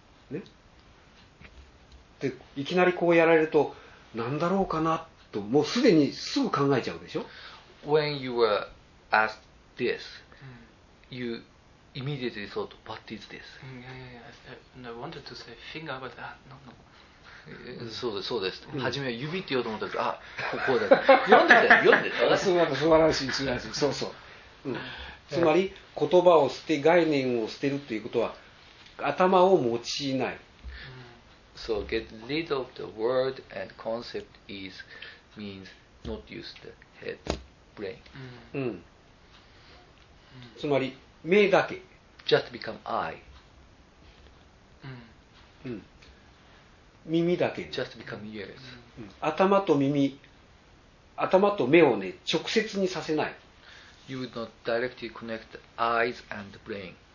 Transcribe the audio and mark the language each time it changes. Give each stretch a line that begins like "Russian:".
Japanese: ね、でいきなりこうやられると何だろうかなともうすでにすぐ考えちゃうでしょ。
English: When you were asked this, you immediately thought, "What is this?" Yeah, yeah, yeah. And I wanted to say finger, but no, no.
Japanese: そうです、そうです。はじめは指って言おうと思ったんです。あ、こうだ。読んでた、読んでた。素晴らしい、素晴らしい。そうそう。うん、つまり、言葉を捨て、概念を捨てるということは、頭を用いない。
English: So, get rid of the word and concept is, means not use the head, brain.
Japanese: うん。つまり、目だけ。
English: Just become eye.
Japanese: うん。耳だけ
English: Just become ears.
Japanese: 頭と耳、頭と目を、ね、直接にさせない。
English: You would not directly connect eyes and brain.